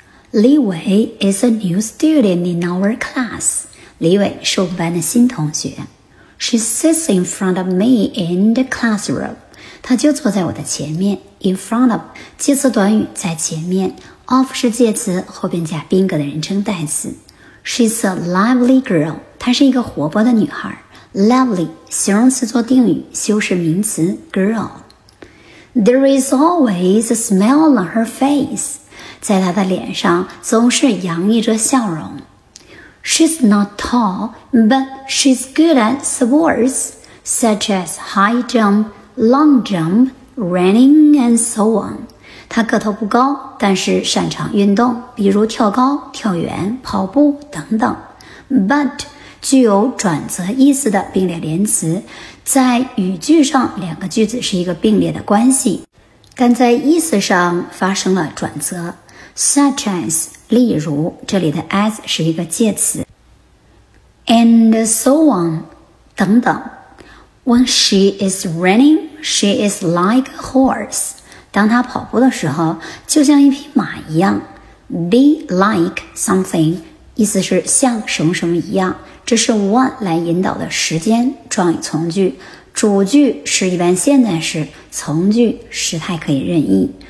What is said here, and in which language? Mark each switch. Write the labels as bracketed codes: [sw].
[en] 李伟 is a new student in our class. [zh] 李伟是我们班的新同学。 [en] She sits in front of me in the classroom. [zh] 她就坐在我的前面。 [en] In front of, [zh] 介词短语在前面。 Of 是介词，后边加宾格的人称代词。 [en] She's a lively girl. [zh] 她是一个活泼的女孩。 Lively, 形容词做定语，修饰名词 girl. [en] There is always a smile on her face. [zh] 在她的脸上总是洋溢着笑容。 [en] She's not tall, but she's good at sports, such as high jump, long jump, running, and so on. [zh] 她个头不高，但是擅长运动，比如跳高、跳远、跑步等等。 But 具有转折意思的并列连词。在语句上，两个句子是一个并列的关系，但在意思上发生了转折。 Such as, 例如，这里的 as 是一个介词。 [en] And so on, [zh] 等等。 [en] When she is running, she is like a horse. [zh] 当她跑步的时候，就像一匹马一样。 [en] Be like something, [zh] 意思是像什么什么一样。这是 want 来引导的时间状语从句，主句是一般现在时，从句时态可以任意。